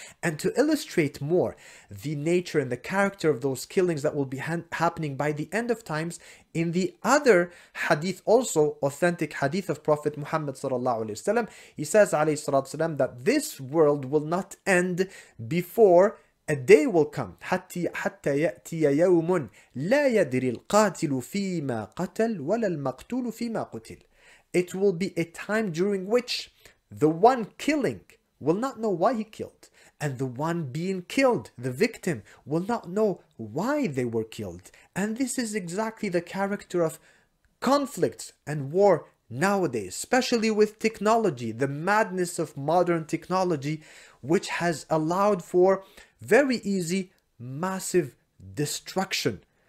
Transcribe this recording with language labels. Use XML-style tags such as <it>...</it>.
<en>And to illustrate more the nature and the character of those killings that will be happening by the end of times, in the other hadith also, authentic hadith of Prophet Muhammad sallallahu alaihi wasallam, he says, alayhi salatu wasalam, that this world will not end before a day will come.</en> <ar>حتى يأتي يوم لا يدري القاتل فيما قتل ولا المقتول فيما قتل.</ar> <en>It will be a time during which the one killing will not know why he killed, and the one being killed, the victim, will not know why they were killed. And this is exactly the character of conflicts and war nowadays, especially with technology, the madness of modern technology, which has allowed for very easy, massive destruction.</en>